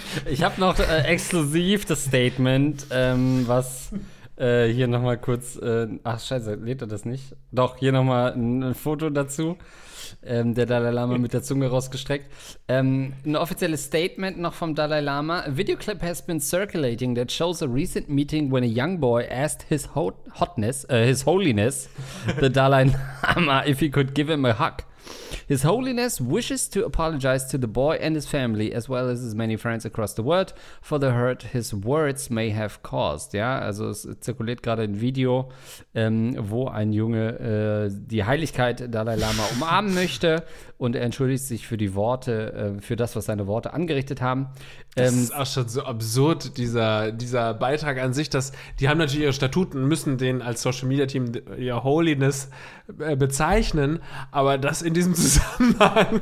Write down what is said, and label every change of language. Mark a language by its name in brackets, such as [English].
[German] Ich habe noch exklusiv das Statement, was hier noch mal kurz ach, scheiße, lädt er das nicht? Doch, hier noch mal ein Foto dazu. Der Dalai Lama mit der Zunge rausgestreckt. Ein offizielles Statement noch vom Dalai Lama. [English] A video clip has been circulating that shows a recent meeting when a young boy asked his holiness, the Dalai Lama, if he could give him a hug. His Holiness wishes to apologize to the boy and his family, as well as his many friends across the world, for the hurt his words may have caused. [German] Ja, also es zirkuliert gerade ein Video, wo ein Junge die Heiligkeit Dalai Lama umarmen möchte und er entschuldigt sich für die Worte, für das, was seine Worte angerichtet haben. Das ist auch schon so absurd, dieser Beitrag an sich, dass die haben natürlich ihre Statuten, müssen den als Social Media Team ihr Holiness bezeichnen, aber das in diesem Zusammenhang.